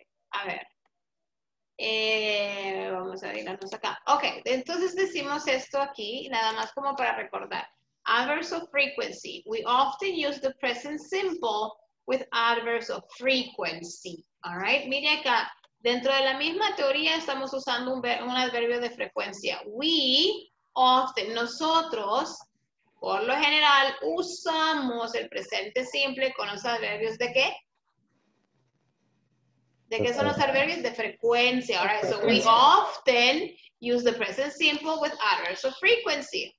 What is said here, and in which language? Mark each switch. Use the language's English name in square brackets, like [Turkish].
[Spanish] A ver. Vamos a irnos acá. Ok, entonces decimos esto aquí, nada más como para recordar. [English] Adverbs of frequency. We often use the present simple with adverbs of frequency. All right, [Spanish] mire acá, dentro de la misma teoría estamos usando un adverbio de frecuencia. [English] We often, [Spanish] nosotros, por lo general, usamos el presente simple con los adverbios de qué? ¿De qué son los adverbios? De frecuencia. [English] All right, so we often use the present simple with adverbs of frequency.